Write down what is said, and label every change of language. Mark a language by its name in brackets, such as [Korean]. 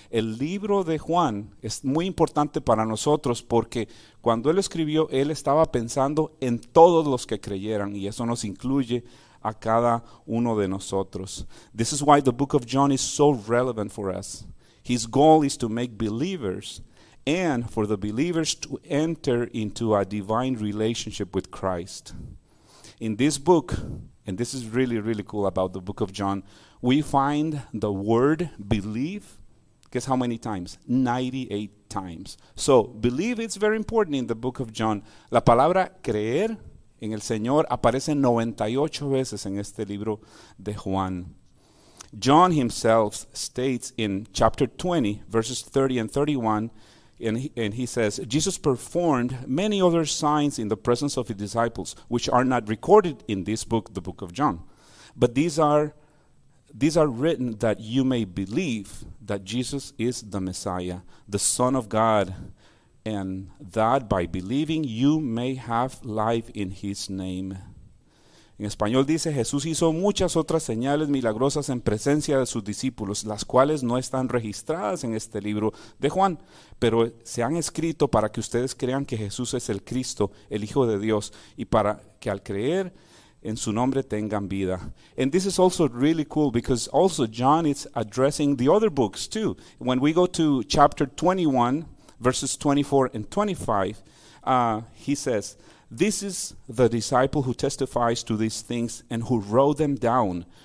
[Spanish] El libro de Juan es muy importante para nosotros porque cuando él escribió, él estaba pensando en todos los que creyeran, y eso nos incluye a cada uno de nosotros. [English] This is why the book of John is so relevant for us. His goal is to make believers and for the believers to enter into a divine relationship with Christ. In this book, and this is really, really cool about the book of John, we find the word believe. Guess how many times? 98 times. So, believe is very important in the book of John. [Spanish] La palabra creer en el Señor aparece 98 veces en este libro de Juan. [English] John himself states in chapter 20, verses 30 and 31, and he says, Jesus performed many other signs in the presence of his disciples, which are not recorded in this book, the book of John. But these are written that you may believe that Jesus is the Messiah, the Son of God, and that by believing you may have life in his name. [Spanish] En español dice, Jesús hizo muchas otras señales milagrosas en presencia de sus discípulos, las cuales no están registradas en este libro de Juan, pero se han escrito para que ustedes crean que Jesús es el Cristo, el Hijo de Dios, y para que al creer en su nombre tengan vida. [English] And this is also really cool because also John is addressing the other books too. When we go to chapter 21, verses 24 and 25, he says, "This is the disciple who testifies to these things and who wrote them down.